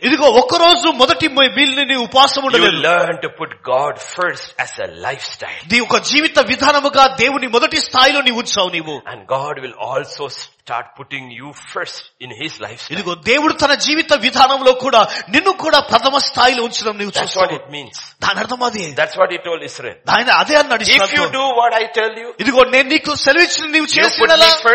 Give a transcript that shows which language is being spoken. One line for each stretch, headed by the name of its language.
Telugu: ఇదిగో ఒక రోజు మొదటి మీల్ ని నీ ఉపవాసం ఉండలేదు.
English: You learned to put God first as a lifestyle.
Telugu: నీ ఒక జీవిత విధానముగా దేవుని మొదటి స్థాయిలో నీ ఉంచావు నీవు.
English: And God will also start putting you first in his life.
Telugu: ఇదిగో దేవుడు తన జీవిత విధానంలో కూడా నిన్ను కూడా ప్రథమ స్థాయిలో ఉంచడం నీవు చూస్తావు.
English: That's what it means.
Telugu: దాని అర్థం అది.
English: That's what he told Israel.
Telugu: ఆయన అదే అన్నాడు.
English: If you do what I tell you.
Telugu: ఇదిగో నేను నీకు సెలవిచ్చిన నీవు చేసినదలా.